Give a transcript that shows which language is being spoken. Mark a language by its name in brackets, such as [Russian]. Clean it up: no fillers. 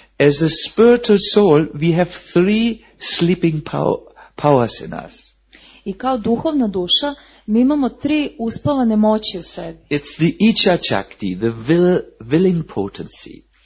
[English] As a spiritual soul, we have three sleeping powers in us. [Serbian] I kao duhovna duša, mi imamo tri uspavane moći u sebi. [English] It's the ichcha shakti, the willing potency.